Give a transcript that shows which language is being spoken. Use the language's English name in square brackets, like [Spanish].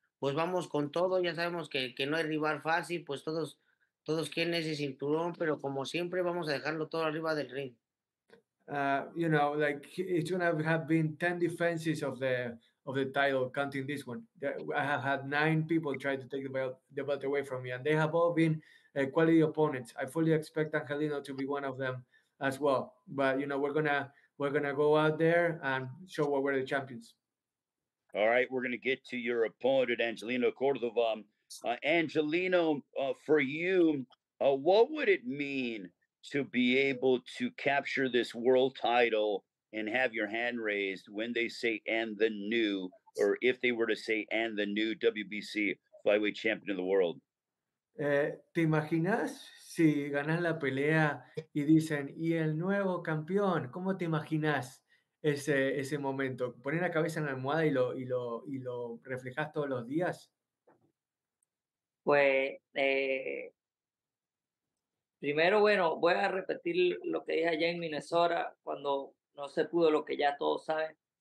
[Spanish] Pues vamos con todo, ya sabemos que no hay rival fácil, pues todos quieren ese cinturón, pero como siempre vamos a dejarlo todo arriba del ring. [English] You know, like it's gonna have been 10 defenses of the title, counting this one. I have had 9 people try to take the belt away from me, and they have all been quality opponents. I fully expect Angelino to be one of them as well. But you know, we're gonna go out there and show what we're the champions. All right, we're gonna get to your opponent, Angelino Cordova. Angelino, for you, what would it mean to be able to capture this world title and have your hand raised when they say "and the new," or if they were to say "and the new WBC flyweight champion of the world"? [Spanish] ¿Te imaginas si ganan la pelea y dicen "y el nuevo campeón"? ¿Cómo te imaginas ese momento? ¿Poner la cabeza en la almohada y lo reflejas todos los días? Pues primero, bueno, voy a repetir lo que dije allá en Minnesota cuando no se pudo, lo que ya todos saben.